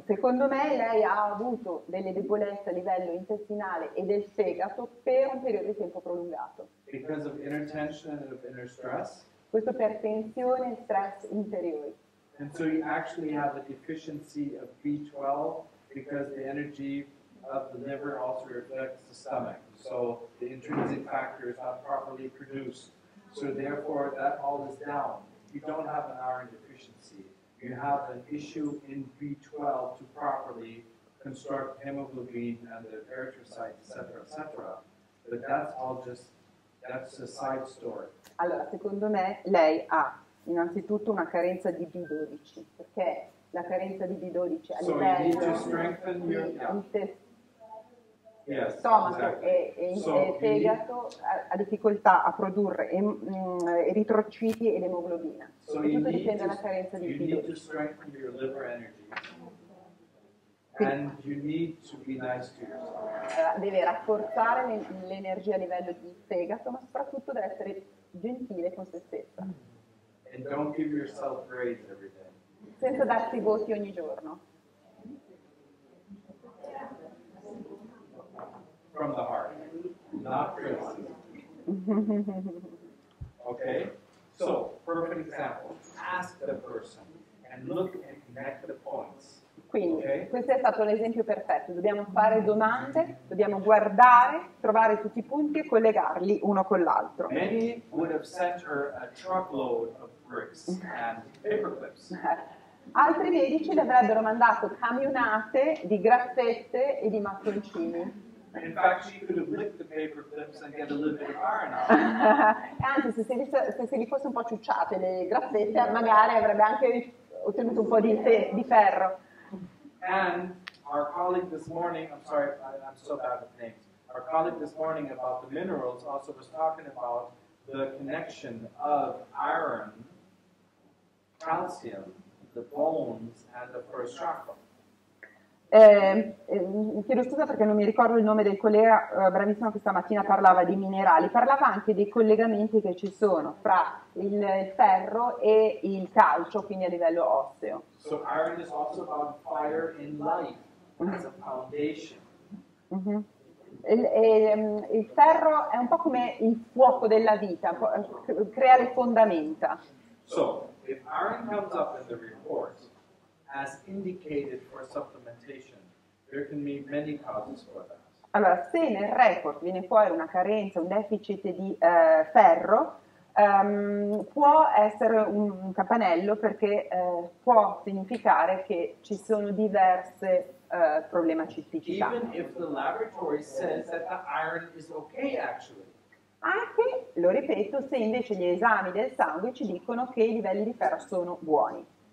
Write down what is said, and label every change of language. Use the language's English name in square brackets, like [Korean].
[Italian] Secondo me lei ha avuto delle debolezze a livello intestinale e del fegato per un periodo di tempo prolungato. [English] Because of inner tension and of inner stress. [Italian] Questo per tensione e stress interiori. [English] And so you actually have a deficiency of B12 because the energy of the liver also affects the stomach. So the intrinsic factor is not properly produced. So therefore that all is down. You don't have an iron deficiency. You have an issue in B12 to properly construct hemoglobin and the erythrocytes, etc., etc. But that's all just, that's a side story. [Italian] Allora, secondo me, lei ha innanzitutto una carenza di B12, perché la carenza di B12 a livello [English] so you need to strengthen your, yes, [Italian] stomaco [English] exactly. [Italian] E il fegato ha difficoltà a produrre eritrociti ed emoglobina. [English] So [Italian] tutto dipende dalla carenza di [English] B12. You need to strengthen your liver energy. And you need to be nice to yourself. [Italian] Deve rafforzare l'energia a livello di fegato, ma soprattutto deve essere gentile con se stessa. [English] And don't give yourself grades every day. [Italian] Senza darsi voti ogni giorno. [English] From the heart, not criticism. Okay? So, perfect example. Ask the person and look and connect the points. [Italian] Quindi, questo è stato l'esempio perfetto. Dobbiamo fare domande, dobbiamo guardare, trovare tutti i punti e collegarli uno con l'altro. [English] Many would have sent her a truckload of bricks and paperclips. [Italian] Altri medici le avrebbero mandato camionate di graffette e di mattoncini. [English] In fact, she could have licked the paperclips and get a little bit of iron out. [Italian] Anzi, se li fosse un po' ciucciate le graffette, magari avrebbe anche ottenuto un po' di ferro. [English] And our colleague this morning, I'm sorry, I'm so bad with names. Our colleague this morning about the minerals also was talking about the connection of iron, calcium, the bones, and the first chakra. [Italian] Chiedo scusa perché non mi ricordo il nome del collega, bravissimo, questa mattina parlava di minerali, parlava anche dei collegamenti che ci sono fra il ferro e il calcio, quindi a livello osseo. [English] So iron is also about fire in life as a foundation. [Italian] Il ferro è un po' come il fuoco della vita, crea le fondamenta. [English] So if iron comes up in the report as indicated for supplementation, there can be many causes for that. [Italian] Allora, se nel report viene fuori una carenza, un deficit di ferro, può essere un campanello perché può significare che ci sono diverse problematicità. [English] Even if the laboratory says that the iron is okay, actually. [Italian] Anche, lo ripeto, se invece gli esami del sangue ci dicono che i livelli di ferro sono buoni.